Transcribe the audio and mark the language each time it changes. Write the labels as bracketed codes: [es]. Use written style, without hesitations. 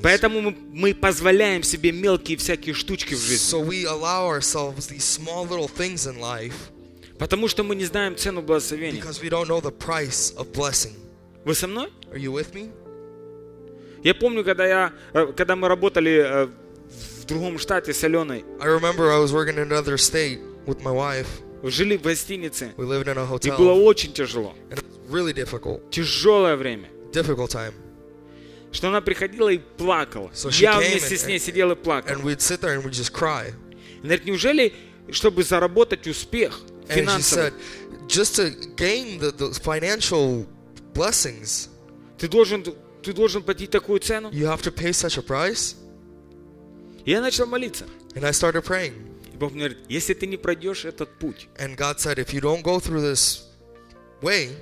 [ru] Поэтому мы позволяем себе мелкие всякие штучки в жизни. [en] So we allow ourselves these small little things in life. [ru] Потому что мы не знаем цену благословения. [en] Because we don't know the price of blessing. [ru] Вы со мной? [en] Are you with me? [ru] Я помню, когда мы работали в другом штате с Аленой. [en] I remember I was working in another state with my wife. [ru] Жили в гостинице. [en] We lived in a hotel. [ru] И было очень тяжело. [en] And it was really difficult. [ru] Тяжелое время. [en] Difficult time. [ru] Что она приходила и плакала. [en] So [ru] я вместе с ней сидел и плакал. [en] And we'd sit there and we'd just cry. [ru] Говорит, неужели, чтобы заработать успех финансовый? [en] And she said, just to gain the financial blessings. [ru] Ты должен ты должен платить такую цену? [en] You have to pay such a price? [ru] Я начал молиться. [en] And I started praying. [ru] И Бог говорит, если ты не пройдешь этот путь, [en] and God said, if you don't go through this way,